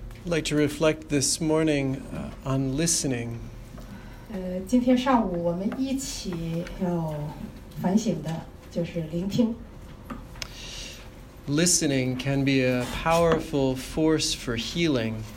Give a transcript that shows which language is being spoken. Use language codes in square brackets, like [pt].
[en] I'd like to reflect this morning on listening. [zh] 今天上午我们一起要反省的就是聆听。 [en] Listening can be a powerful force for healing.